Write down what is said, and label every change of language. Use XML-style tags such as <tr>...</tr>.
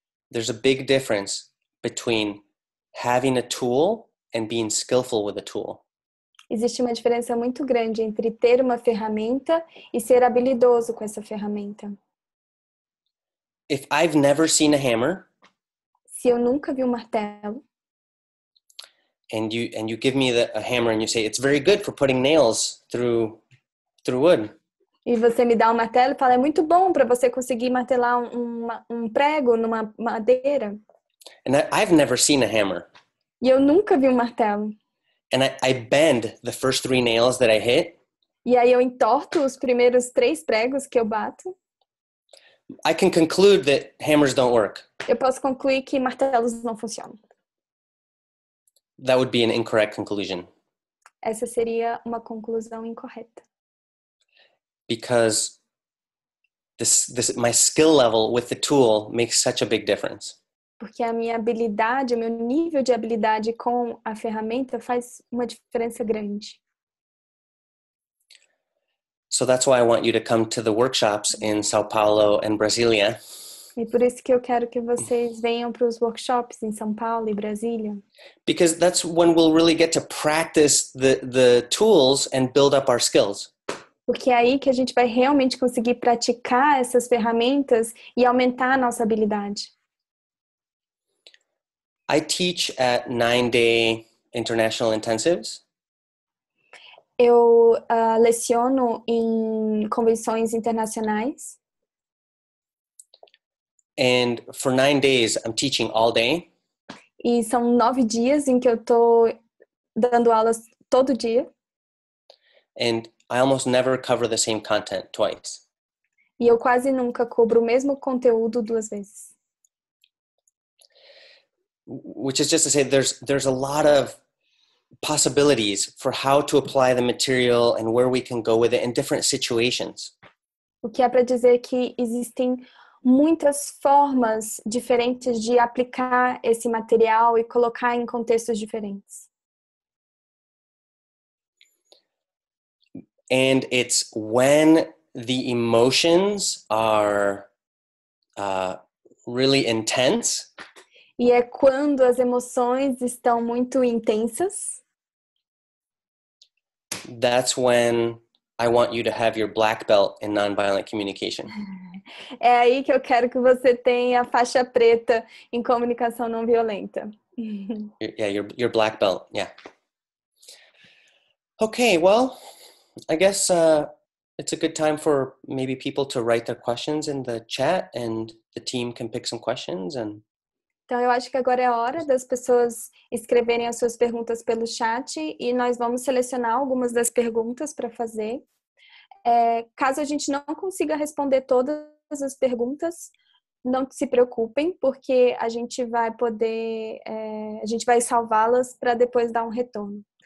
<en>There's a big difference between having a tool and being skillful with a tool.</en> <pt>Existe uma diferença muito grande entre ter uma ferramenta e ser habilidoso com essa ferramenta.</pt> <en>If I've never seen a hammer,</en> <pt>se eu nunca vi um martelo,</pt> <en>and you give me a hammer and you say it's very good for putting nails through wood.</en> <pt>E você me dá um martelo e fala, é muito bom para você conseguir martelar um prego numa madeira.</pt> <en>And I've never seen a hammer.</en> <pt>E eu nunca vi um martelo.</pt> <en>And I bend the first three nails that I hit.</en> <pt>E aí eu entorto os primeiros três pregos que eu bato.</pt> <en>I can conclude that hammers don't work.</en> <pt>Eu posso concluir que martelos não funcionam.</pt> <en>That would be an incorrect conclusion.</en> <pt>Essa seria uma conclusão incorreta.</pt> <en>Because this my skill level with the tool makes such a big difference.</en> <pt>Porque a minha habilidade, o meu nível de habilidade com a ferramenta faz uma diferença grande.</pt> <en>So that's why I want you to come to the workshops in São Paulo and Brasília.</en> <pt>E por isso que eu quero que vocês venham para os workshops em São Paulo e Brasília.</pt> <en>Because that's when we'll really get to practice the tools and build up our skills.</en> <pt>Porque é aí que a gente vai realmente conseguir praticar essas ferramentas e aumentar a nossa habilidade.</pt> <en>I teach at 9-day international intensives.</en> <pt>Eu leciono em convenções internacionais.</pt> <en>And for 9 days, I'm teaching all day.</en> <pt>E são 9 dias em que eu tô dando aulas todo dia.</pt> <en>And I almost never cover the same content twice.</en> <pt>E eu quase nunca cubro o mesmo conteúdo duas vezes.</pt> <en>Which is just to say there's a lot of possibilities for how to apply the material and where we can go with it in different situations.</en> <pt>O que é para dizer que existem muitas formas diferentes de aplicar esse material e colocar em contextos diferentes.</pt> <en>And it's when the emotions are really intense.</en> <pt>E é quando as emoções estão muito intensas.</pt> <en>That's when I want you to have your black belt in nonviolent communication.</en> <pt>É aí que eu quero que você tenha a faixa preta em comunicação não violenta.</pt> <en>Yeah, your black belt, yeah. Okay, well, I guess it's a good time for maybe people to write their questions in the chat and the team can pick some questions and...</en> <pt>Então, eu acho que agora é a hora das pessoas escreverem as suas perguntas pelo chat e nós vamos selecionar algumas das perguntas para fazer. É, caso a gente não consiga responder todas as perguntas, não se preocupem, porque a gente vai poder, a gente vai salvá-las para depois dar um retorno.</pt>